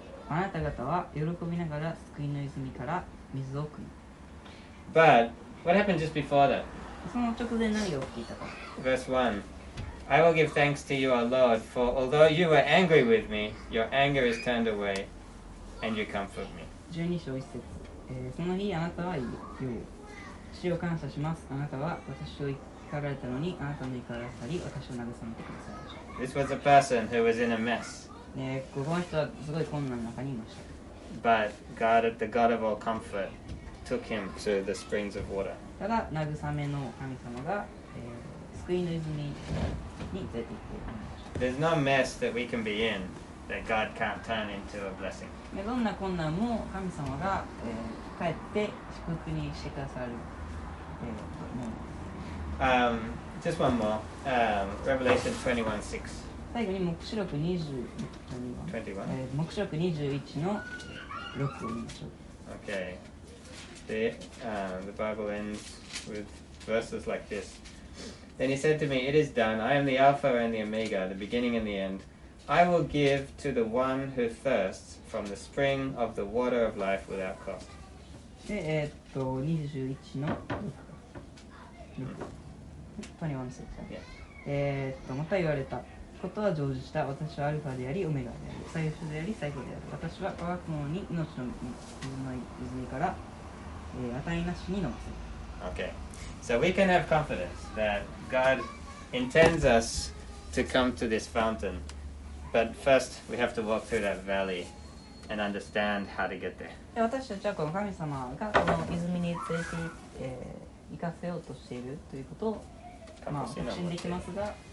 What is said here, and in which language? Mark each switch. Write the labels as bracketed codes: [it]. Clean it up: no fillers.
[ja] あなた方は喜びながら救いの泉から水を汲む。 [en] But what happened just before that? [ja] その直前何が起きていたか。 [en] Verse 1. I will give thanks to you, O Lord, for although you were angry with me, your anger is turned away, and you comfort me. [ja] 12章1節、その日あなたは言う。主を感謝します。あなたは私を怒られたのに、あなたの怒らさり、私を慰めてくださいました。 [en] This was a person who was in a mess. [ja] この人はすごい困難の中にいました。 [en] But God, the God of all comfort, took him to the springs of water. [ja] ただ、慰めの神様が、救いの泉に連れて行っていました。 [en] There's no mess that we can be in that God can't turn into a blessing. [ja] どんな困難も神様が、帰って祝福にしてくださる、もの。 [en] Just one more. Revelation 21:6. [ja] 最後に目視録21:6を見ましょう。 [en] Okay. The Bible ends with verses like this. Then he said to me, "It is done. I am the Alpha and the Omega, the beginning and the end. I will give to the one who thirsts from the spring of the water of life without cost." [ja] で、21の6。21節。また言われた。ことは成就した。私はアルファであり、オメガである。最初であり、最後である。私は乾くものに命の泉から、値なしに飲ませる。 [en] Okay. So we can have confidence that God intends us to come to this fountain. But first, we have to walk through that valley and understand how to get there. [ja] 私たちはこの神様がこの泉に連れて、行かせようとしているということを、まあ、確信できますが、